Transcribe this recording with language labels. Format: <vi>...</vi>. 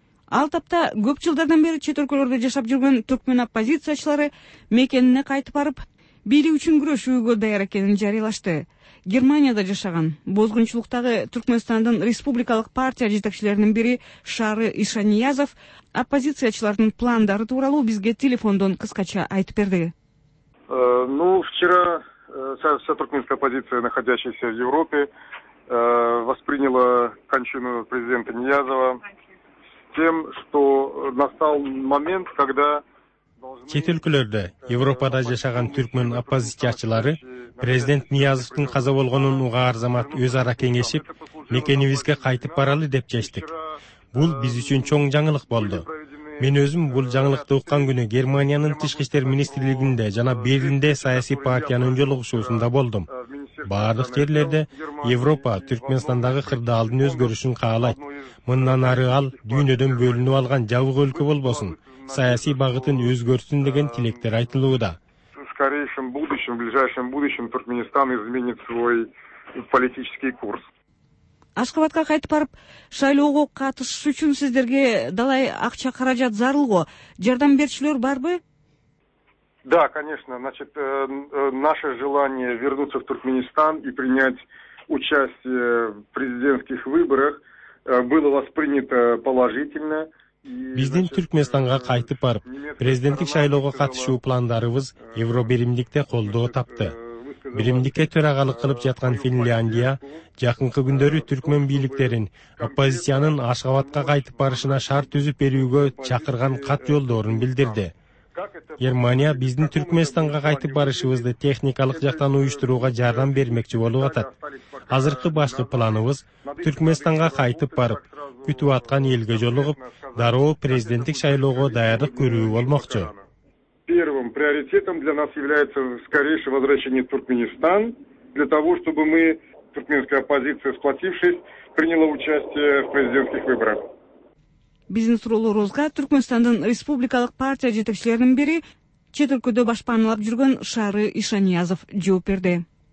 <ky>Ал тапта көп жылдардан бери чет өлкөлөрдө жашап жүргөн түркмөн оппозициячылары мекенине кайтып барып, бийлик үчүн күрөшүүгө даяр экенин жарыялашты. Германияда жашаган бозгунчулуктагы Түркмөнстандын республикалык партия жетекчилеринин бири Шары Ишаниязов оппозициячылардын пландары тууралуу бизге телефондон кыскача айтып берди.</ky> <ru>Вчера вся туркменская оппозиция, находящаяся в Европе, восприняла кончину президента Ниязова тем, что настал момент, когда</ru> <ky>чет өлкөлөрдө Европада жашаган түркмөн оппозициячылары президент Ниязовдун каза болгонун уга арзамат өз ара кеңешип, мекенибизге кайтып баралы деп чечтик. Бул биз үчүн чоң жаңылык болду. Мен өзүм бул жаңылыкты уккан күнү Германиянын тышкы иштер министрлигинде жана Берлинде саясий партиянын жолугушуусунда болдум. Бардык жерлерде Европа Түркмөнстандагы кырдаалдын өзгөрүшүн каалайт. Мындан ары ал дүйнөдөн бөлүнүп алган жабык өлкө болбосун. Саясий багытын өзгөртсүн деген тилектер айтылууда.</ky> <ru>Скорейшем будущем, в ближайшем будущем Туркменистан изменит свой политический курс.</ru> <ky>Ашкабадка кайтып барып, шайлоого катышыш үчүн сиздерге далай акча каражат зарылго, жардам берчүлөр барбы?</ky> <ru>Да, конечно. Значит, наше желание вернуться в Туркменистан и принять участие в президентских выборах было воспринято положительно.</ru> <ky>Биздин Түркмөнстанга кайтып барып, президенттик шайлоого катышуу пландарыбыз Евробиримдикте колдоо тапты. Биримдикке төрагалык кылып жаткан Финляндия жакынкы күндөрү түркмөн бийликтерин оппозициянын Ашгабадка кайтып барышына шарт түзүп берүүгө чакырган кат жолдорун билдирди. Германия биздин Түркмөнстанга кайтып барышыбызды техникалык жактан уюштурууга жардам бермекчи болуп атат. Азыркы башкы планыбыз Түркмөнстанга кайтып барып, күтүп аткан элге жолугуп, дароо президенттик шайлоого даярдык көрүү болмокчу.</ky> <ru>Первым приоритетом для нас является скорейшее возвращение в Туркменистан, для того, чтобы мы, туркменская оппозиция, сплотившись, приняла участие в президентских выборах.</ru> <ky>Биздин суроолорубузга Түркмөнстандын республикалык партия жетекчилеринин бири чет өлкөдө башпаналап жүргөн Шары Ишаниязов жооп берди.</ky>